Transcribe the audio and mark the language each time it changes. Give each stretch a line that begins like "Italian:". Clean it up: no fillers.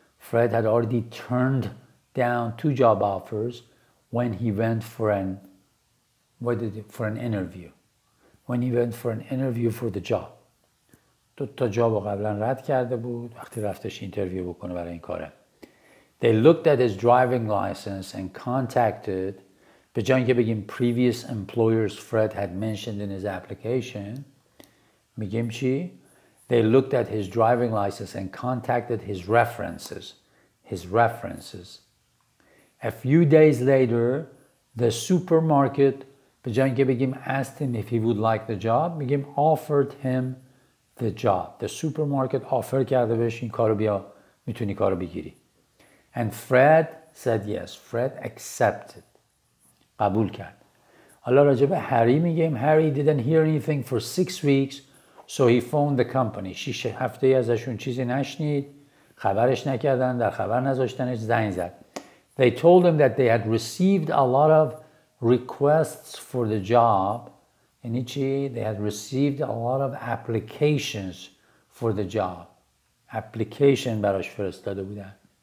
English: Fred had already turned down two job offers when he went for an interview for the job.
Persian: دوتا جابو قبلا رد کرده بود وقتی رفتش اینترویو بکنه برای این کاره.
English: They looked at his driving license and contacted
Persian: به جای اینکه بگیم
English: previous employers Fred had mentioned in his application
Persian: میگیم چی؟
English: They looked at his driving license and contacted his references. A few days later the supermarket
Persian: به جای اینکه بگیم
English: asked him if he would like the job
Persian: میگیم
English: offered him the job. The supermarket offer
Persian: کرده بهش این کارو بیا میتونی کارو بگیری.
English: And Fred said yes. Fred accepted.
Persian: قبول کرد. الله راجب هری میگیم
English: Harry didn't hear anything for 6 weeks so he phoned the company.
Persian: 6 هفته ازشون چیزی نشنید. خبرش نکردن. در خبر نذاشتنش زنگ زد.
English: They told him that they had received a lot of requests for the job.
Persian: یعنی چی؟
English: They had received a lot of applications for the job.
Persian: Application براش فرستاده بودن.